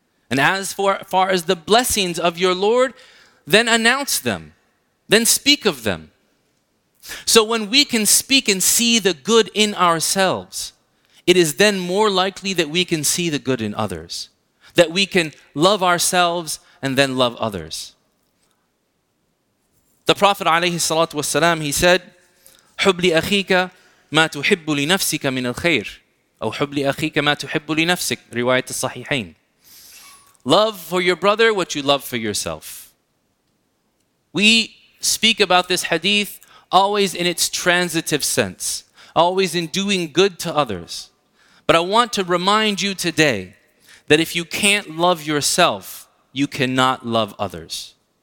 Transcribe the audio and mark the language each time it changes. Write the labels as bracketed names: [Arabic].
[English] And as far as the blessings of your Lord, then announce them. Then speak of them. So when we can speak and see the good in ourselves, it is then more likely that we can see the good in others. That we can love ourselves and then love others. The Prophet alayhi salatu wasalam, he said, [Arabic] حُبْ لِأَخِيكَ مَا تُحِبُّ لِنَفْسِكَ مِنَ الْخَيْرِ أو حُبْ لِأَخِيكَ مَا تُحِبُّ لِنَفْسِكَ رِوَايَةِ الصَّحِيحَيْنِ. [English] Love for your brother what you love for yourself. We speak about this hadith always in its transitive sense, always in doing good to others. But I want to remind you today that if you can't love yourself, you cannot love others.